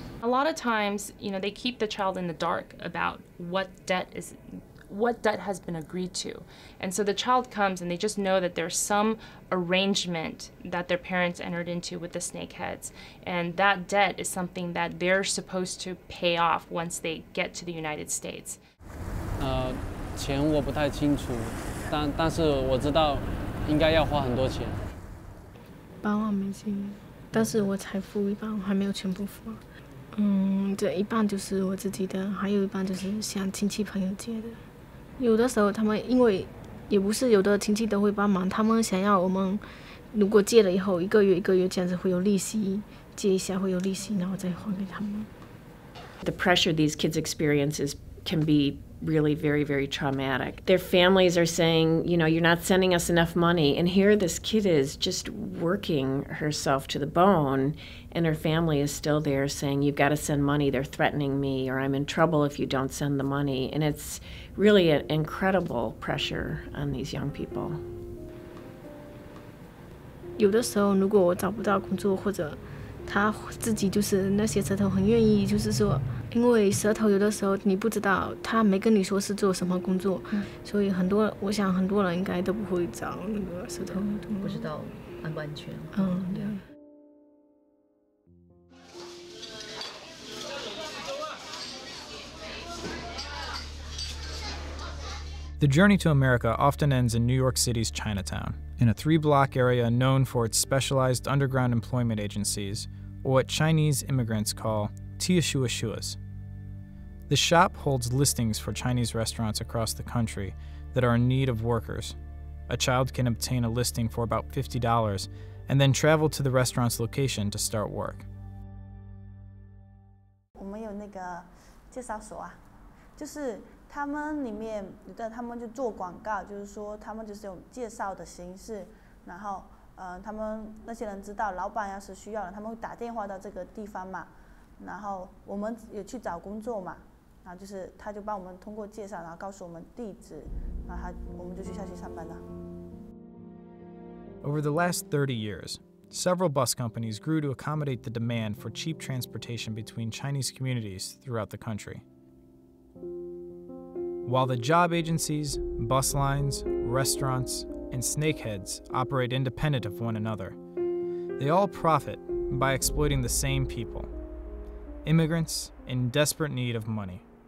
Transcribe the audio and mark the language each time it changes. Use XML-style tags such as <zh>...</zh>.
<en>A lot of times, you know, they keep the child in the dark about what debt is what debt has been agreed to. And so the child comes and they just know that there's some arrangement that their parents entered into with the Snakeheads. And that debt is something that they're supposed to pay off once they get to the United States.</en> <zh>钱我不太清楚, 但是我知道应该要花很多钱。 8万美金，但是我才付一半，我还没有全部付。这一半就是我自己的，还有一半就是向亲戚朋友借的。有的时候他们因为也不是有的亲戚都会帮忙，他们想要我们如果借了以后一个月这样子会有利息，借一下会有利息，然后再还给他们。</zh> <en>The pressure these kids experience is can be really very, very traumatic. Their families are saying, you know, you're not sending us enough money. And here this kid is just working herself to the bone, and her family is still there saying, you've got to send money, they're threatening me, or I'm in trouble if you don't send the money. And it's really an incredible pressure on these young people.</en> <zh>有的时候如果我找不到工作或者他自己就是那些舌头很愿意就是说因为舌头有的时候你不知道他没跟你说是做什么工作、所以很多我想很多人应该都不会找那个舌头不知道安不安全对</zh> <en>The journey to America often ends in New York City's Chinatown, in a three-block area known for its specialized underground employment agencies, or what Chinese immigrants call tiashuashuas. The shop holds listings for Chinese restaurants across the country that are in need of workers. A child can obtain a listing for about $50 and then travel to the restaurant's location to start work. We have a</en> <zh>介绍所啊，就是他们里面有的他们就做广告，就是说他们就是用介绍的形式，然后他们那些人知道老板要是需要了，他们会打电话到这个地方嘛，然后我们也去找工作嘛，然后就是他就帮我们通过介绍，然后告诉我们地址，然后我们就去下去上班了。</zh> <en>Over the last 30 years, several bus companies grew to accommodate the demand for cheap transportation between Chinese communities throughout the country. While the job agencies, bus lines, restaurants, and snakeheads operate independent of one another, they all profit by exploiting the same people, immigrants in desperate need of money.</en>